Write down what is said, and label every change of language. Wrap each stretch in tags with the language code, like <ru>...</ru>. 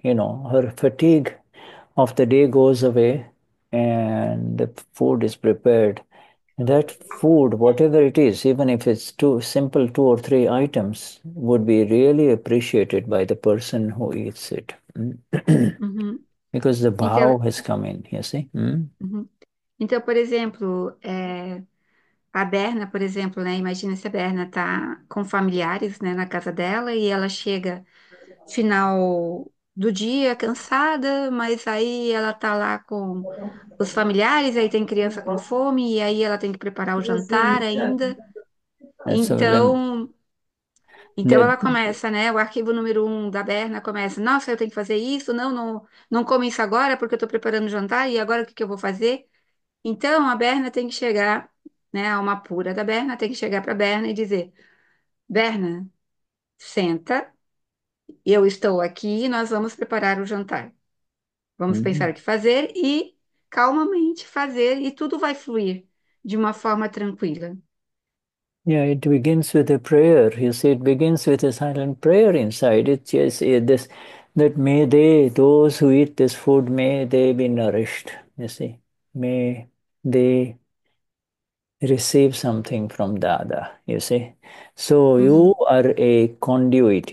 <en>You know, her fatigue of the day goes away and the food is prepared. That food, whatever it is, even if it's two simple two or three items, would be really appreciated by the person who eats it. Because the</en> <pt>Então,</pt> <en>bow has come in, you see?</en> <pt>Então, por exemplo, a Berna, por exemplo, né? Imagina se a Berna tá com familiares, né, na casa dela e ela chega final do dia cansada, mas aí ela tá lá com os familiares, aí tem criança com fome, e aí ela tem que preparar o jantar ainda.</pt> <en>That's a limb.</en> <pt>Então ela começa, né? O arquivo número um da Berna começa. Nossa, eu tenho que fazer isso? Não como isso agora, porque eu estou preparando o jantar, e agora o que que eu vou fazer? Então a Berna tem que chegar, né? A alma pura da Berna tem que chegar para a Berna e dizer: Berna, senta, eu estou aqui e nós vamos preparar o jantar. Vamos pensar o que fazer e calmamente fazer, e tudo vai fluir de uma forma tranquila.</pt> <en>Yeah, it begins with a prayer. You see, it begins with a silent prayer inside. It's just this, that may they, those who eat this food, may they be nourished. You see, may they receive something from Dada. You see, so you are a conduit.</en>